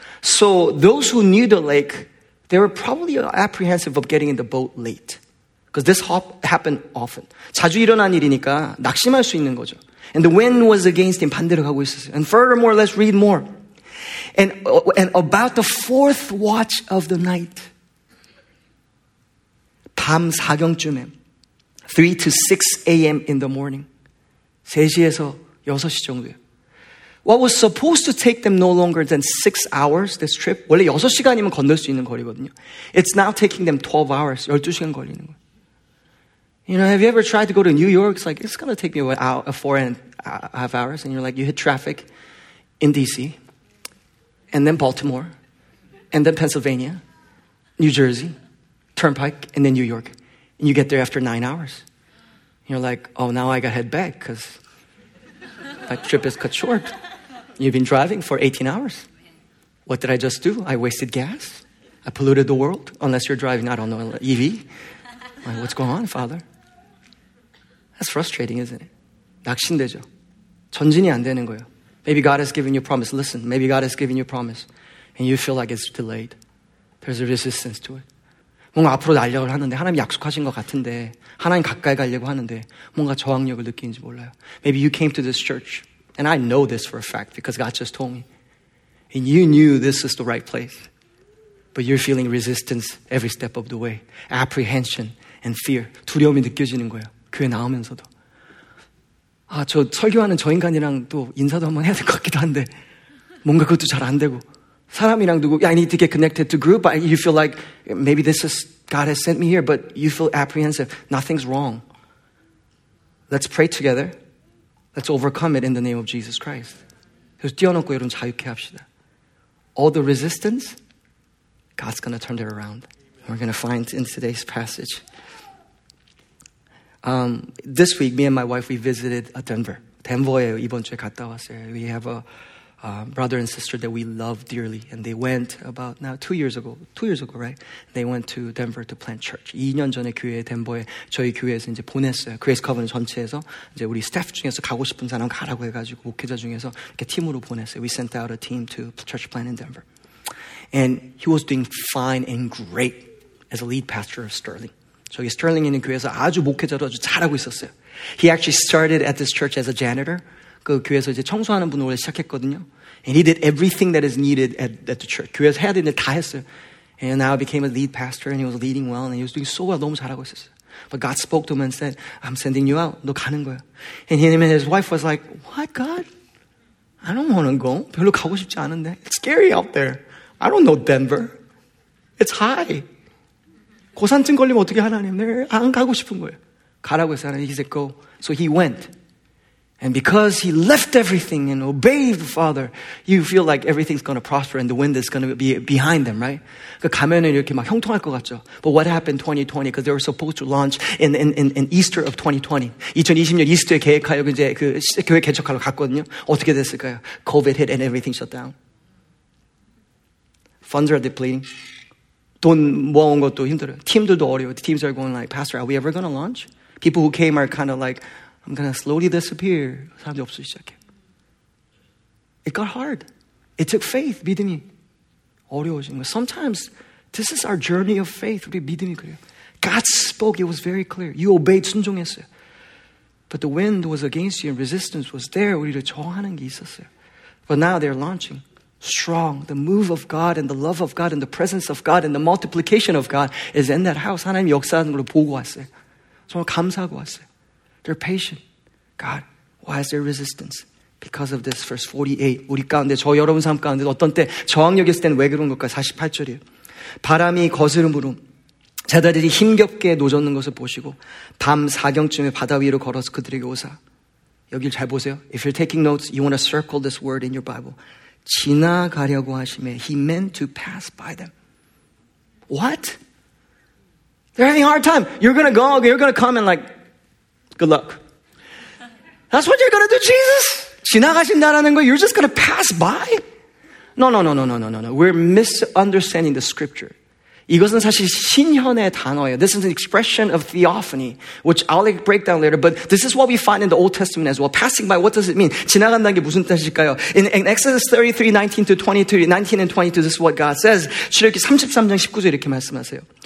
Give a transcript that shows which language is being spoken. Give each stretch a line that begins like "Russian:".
English: So those who knew the lake, they were probably apprehensive of getting in the boat late. Because this happened often.
Korean: 자주 일어난 일이니까 낙심할 수 있는 거죠.
English: And the wind was against him.
Korean: 반대로 가고 있었어요.
English: And furthermore, let's read more. And about the fourth watch of the night.
Korean: 밤 4경쯤에.
English: 3 to 6 a.m. in the morning.
Korean: 3시에서 6시 정도에.
English: What was supposed to take them no longer than 6 hours, this trip.
Korean: 원래 6시간이면 건널 수 있는 거리거든요.
English: It's now taking them 12 hours.
Korean: 12시간 걸리는 거예요.
English: You know, have you ever tried to go to New York? It's like, it's going to take me four and a half hours. And you're like, you hit traffic in D.C. and then Baltimore and then Pennsylvania, New Jersey, Turnpike, and then New York. And you get there after 9 hours. And you're like, oh, now I got to head back because that trip is cut short. You've been driving for 18 hours. What did I just do? I wasted gas. I polluted the world, unless you're driving, I don't know, EV. Like, what's going on, Father? That's frustrating, isn't it?
Korean: 낙심되죠. 전진이 안 되는 거예요.
English: Maybe God has given you a promise. Listen, maybe God has given you a promise. And you feel like it's delayed. There's a resistance to it.
Korean: 뭔가 앞으로 날려고 하는데 하나님 약속하신 것 같은데 하나님 가까이 가려고 하는데 뭔가 저항력을 느끼는지 몰라요.
English: Maybe you came to this church. And I know this for a fact because God just told me. And you knew this is the right place. But you're feeling resistance every step of the way. Apprehension and fear.
Korean: 두려움이 느껴지는 거예요. 교회 나오면서도. 아, 저 설교하는 저 인간이랑 또 인사도 한번 해야 될 것 같기도 한데 뭔가 그것도 잘 안 되고 사람이랑 누구
English: I need to get connected to group. You feel like maybe this is God has sent me here, but you feel apprehensive. Nothing's wrong. Let's pray together. Let's overcome it in the name of Jesus Christ.
Korean: 그래서 뛰어넘고 여러분 자유케 합시다.
English: All the resistance, God's going to turn it around. We're going to find in today's passage. This week, me and my wife, we visited Denver.
Korean: Denver에 이번 주에 갔다 왔어요.
English: We have a brother and sister that we love dearly. And they went about now 2 years ago. 2 years ago, right? They went to Denver to plant church.
Korean: 2년 전에 교회에 덴버에 저희 교회에서 이제 보냈어요. Grace Covenant 전체에서 이제 우리 스태프 중에서 가고 싶은 사람 가라고 해가지고 목회자 중에서 이렇게 팀으로 보냈어요.
English: We sent out a team to church plant in Denver. And he was doing fine and great as a lead pastor of Sterling.
Korean: 저기 스털링에 있는 교회에서 아주 목회자로 아주 잘하고 있었어요.
English: He actually started at this church as a janitor.
Korean: 그 교회에서 이제 청소하는 분으로 원래 시작했거든요.
English: And he did everything that is needed at the church.
Korean: 교회에서 해야 되는 일 다 했어요.
English: And now he became a lead pastor and he was leading well and he was doing so well.
Korean: 너무 잘하고 있었어요.
English: But God spoke to him and said, I'm sending you out.
Korean: 너 가는 거야.
English: And him and his wife was like, what, God? I don't want to go.
Korean: 별로 가고 싶지 않은데.
English: It's scary out there. I don't know Denver. It's high.
Korean: 고산증 걸리면 어떻게 하나님? 안 가고 싶은 거예요. 가라고 해서 하나님,
English: he said, go. So he went. And because he left everything and obeyed the Father, you feel like everything's going to prosper and the wind is going to be behind them, right?
Korean: 가면 이렇게 막 형통할 것 같죠.
English: But what happened 2020? Because they were supposed to launch in Easter of 2020.
Korean: 2020년 이스터에 계획하려고 이제 그 교회 개척하러 갔거든요. 어떻게 됐을까요?
English: COVID hit and everything shut down. Funds are depleting.
Korean: 돈 모아온 것도 힘들어요. 팀들도 어려워요.
English: Teams are going like, Pastor, are we ever going to launch? People who came are kind of like, I'm going to slowly disappear.
Korean: 사람들이 없어지기 시작해.
English: It got hard. It took faith,
Korean: 믿음이. 어려워진 거.
English: Sometimes, this is our journey of faith.
Korean: 우리 믿음이 그래요.
English: God spoke, it was very clear. You obeyed,
Korean: 순종했어요.
English: But the wind was against you and resistance was there.
Korean: 우리를 저항하는 게 있었어요.
English: But now they're launching. Strong, the move of God and the love of God and the presence of God and the multiplication of God is in that house.
Korean: 하나님 역사하는 걸 보고 왔어요. 정말 감사하고 왔어요.
English: They're patient. God, why is there resistance? Because of this, verse 48.
Korean: 우리 가운데, 저 여러분 삶 가운데 어떤 때 저항력이 있을 때는 왜 그런 걸까요? 48절이에요. 바람이 거스름으로 제자들이 힘겹게 노젓는 것을 보시고 밤 사경쯤에 바다 위로 걸어서 그들에게 오사. 여길 잘 보세요.
English: If you're taking notes, you want to circle this word in your Bible.
Korean: 지나가려고 하심에
English: he meant to pass by them. What? They're having a hard time. You're gonna go, you're gonna come and like, good luck. That's what you're gonna do, Jesus?
Korean: 지나가신다라는 거,
English: you're just gonna pass by? No. We're misunderstanding the scripture.
Korean: 이것은 사실 신현의 단어예요.
English: This is an expression of theophany, which I'll break down later, but this is what we find in the Old Testament as well. Passing by, what does it mean?
Korean: 지나간다는 게 무슨 뜻일까요?
English: In Exodus 33, 19 to 23, 19 and 22, this is what God says.
Korean: 출애굽기 33장 19절 이렇게 말씀하세요.